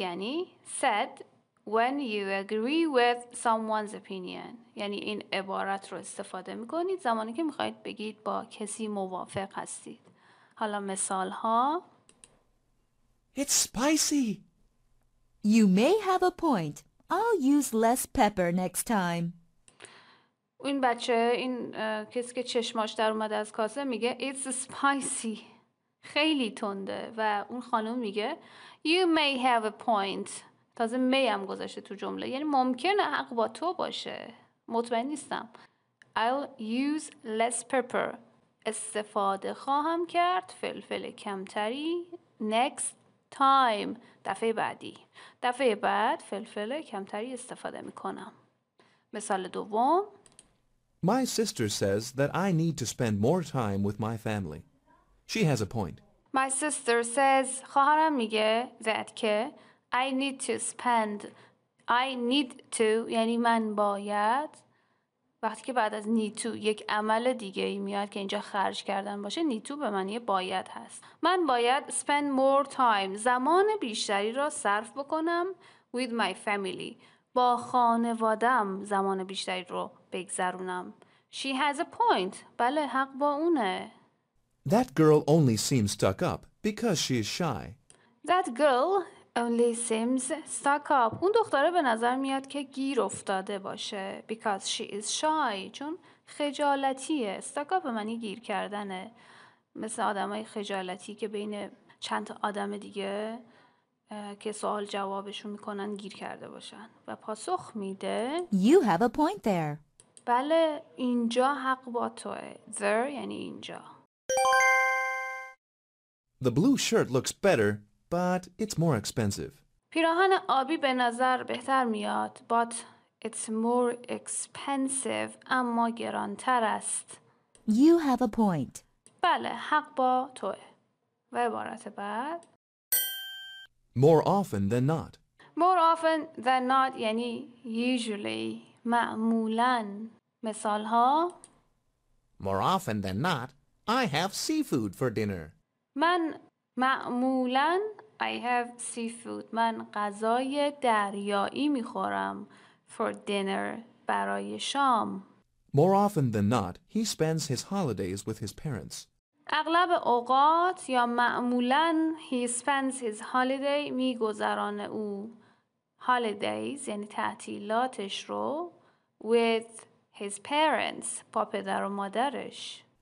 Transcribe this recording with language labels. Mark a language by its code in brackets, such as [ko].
[fa] یعنی [en] said when you agree with someone's opinion. [fa] یعنی این عبارت رو استفاده میکنید زمانی که میخواید بگید با کسی موافق هستید. حالا مثال ها. [en] It's spicy. You may have a point. I'll use less pepper next time. [fa] این بچه، این کسی که چشماش در اومده از کاسه میگه [en] It's spicy. [fa] خیلی تنده. و اون خانم میگه [en] You may have a point. [fa] تازه may هم گذاشته تو جمله. یعنی ممکنه حق با تو باشه. مطمئن نیستم. [en] I'll use less pepper. [fa] استفاده خواهم کرد. فلفل کمتری. [en] Next. Time. [fa] دفعه بعدی. دفعه بعد فلفل کمتری استفاده میکنم. مثال دوم. [en] My sister says that I need to spend more time with my family. She has a point. My sister says, [fa] خواهرم میگه [en] that [fa] که [en] I need to spend. I need to [fa] یعنی من باید. وقتی که بعد از need to یک عمل دیگه ای میاد که اینجا خرج کردن باشه need to به معنی باید هست. من باید [en] spend more time [fa] زمان بیشتری را صرف بکنم [en] with my family. [fa] با خانوادم زمان بیشتری رو بگذرونم. [en] She has a point. [fa] بله حق با اونه. [en] That girl only seems stuck up because she is shy. That girl only seems stuck up. [fa] اون دختره به نظر میاد که گیر افتاده باشه. [en] Because she is shy. [fa] چون خجالتیه. Stuck up معنی گیر کردنه. مثل آدمای خجالتی که بین چند آدم دیگه که سوال جوابشون میکنن گیر کرده باشن. و پاسخ میده [en] You have a point there. [fa] بله اینجا حق با توه. There یعنی اینجا. [en] The blue shirt looks better, but it's more expensive. [fa] پیراهن آبی به نظر بهتر میاد, [en] but it's more expensive, [fa] اما گرانتر است. [en] You have a point. [fa] بله, حق با توه. و عبارت بعد. [en] More often than not [fa] یعنی usually, معمولاً. مثال ها. [en] More often than not. I have seafood for dinner. [fa] من معمولاً [en] I have seafood. [fa] من غذای دریایی میخورم [en] for dinner [fa] برای شام. [en] More often than not, he spends his holidays with his parents. [fa] اغلب اوقات یا معمولاً [en] he spends his holiday [fa] میگذرانه او holidays یعنی تعطیلاتش رو [en] with his parents [fa] با پدر و مادرش.